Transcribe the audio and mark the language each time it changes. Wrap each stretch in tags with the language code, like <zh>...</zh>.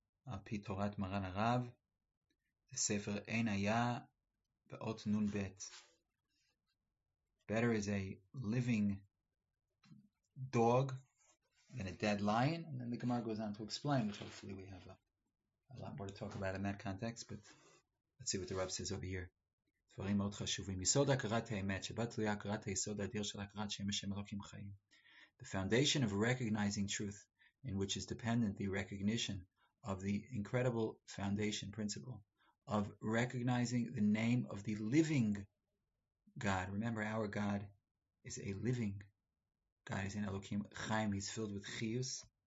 <he>Al-Pi Torat Maran Arav, the Sefer Ein Hayah, Be'ot Nun Bet.</he> <en>Better is a living dog than a dead lion. And then the Gemara goes on to explain, which hopefully we have a lot more to talk about in that context, but let's see what the Rav says over here.</en> <he>דברים מאוד חשובים. יסוד הכרת האמת, שבה תלויה הכרת היסוד האדיר של הכרת שם השם אלוקים חיים.</he> <en>The foundation of recognizing truth, in which is dependent the recognition of the incredible foundation principle, of recognizing the name of the living God. Remember, our God is a living God. He's in Elohim Chaim. He's filled with chiyus.</en>